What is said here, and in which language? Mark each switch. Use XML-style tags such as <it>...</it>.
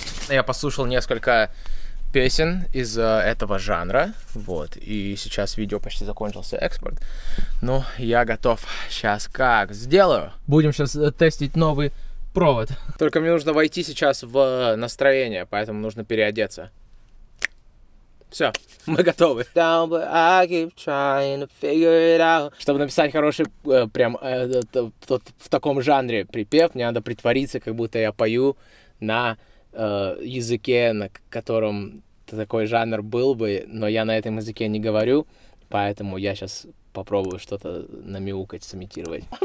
<ru>Я послушал несколько песен из этого жанра. Вот. И сейчас видео почти закончился, экспорт. Но я готов. Сейчас как сделаю. Будем сейчас тестить новый провод. Только мне нужно войти сейчас в настроение, поэтому нужно переодеться. Все, мы готовы.</ru> <en>Down, but I keep trying to figure it out.</en> <ru>Чтобы написать хороший, прям тот, в таком жанре припев, мне надо притвориться, как будто я пою на языке, на котором такой жанр был бы, но я на этом языке не говорю, поэтому я сейчас попробую что-то намяукать, сымитировать.</ru>